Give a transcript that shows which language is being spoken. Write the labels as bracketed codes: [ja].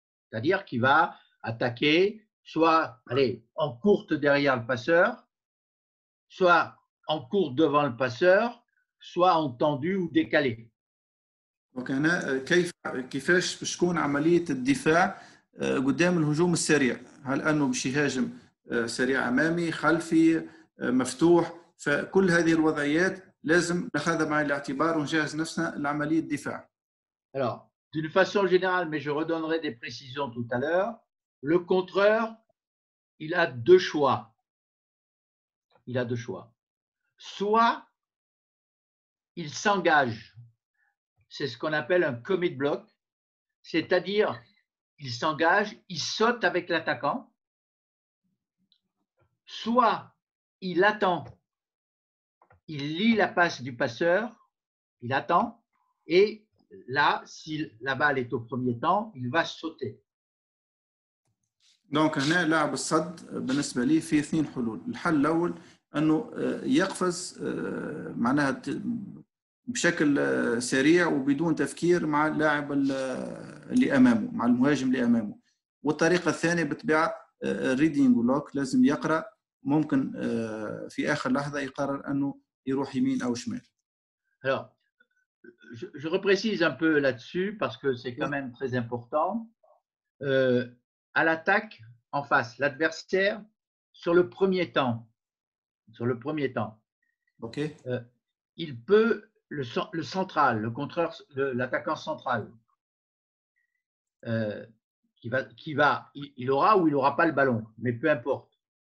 [fr] C'est-à-dire qu'il va attaquer soit en courte derrière le passeur, soit en courte devant le passeur, soit en tendu ou décalé. [ar] Donc, كيفاش باش تكون عملية الدفاع قدام الهجوم السريع؟ هل أنه باش يهاجم سريع أمامي، خلفي، مفتوح؟ فكل هذه الوضعيات لازم ناخذها بعين الاعتبار ونجهز نفسنا لعملية الدفاع. [fr] Alors, d'une façon générale, mais je redonnerai des précisions tout à l'heure, le contreur, il a deux choix il a deux choix. Soit il s'engage, c'est ce qu'on appelle un commit block, c'est-à-dire il s'engage, il saute avec l'attaquant, soit il attend, il lit la passe du passeur, il attend, et là, si la balle est au premier temps, il va sauter. [ar] دونك هنا لاعب الصد بالنسبة لي في اثنين حلول. الحل الأول أنه يقفز معناها بشكل سريع وبدون تفكير مع اللاعب اللي أمامه مع المهاجم اللي أمامه. والطريقة الثانية بتبيع ريدينج لوك لازم يقرأ ممكن في آخر لحظة يقرر أنه يروح يمين أو شمال. [fr] Je reprécise un peu là-dessus parce que c'est quand même très important. À l'attaque en face, l'adversaire sur le premier temps, Okay. Il peut le central, le contreur, l'attaquant central, il aura ou il n'aura pas le ballon, mais peu importe.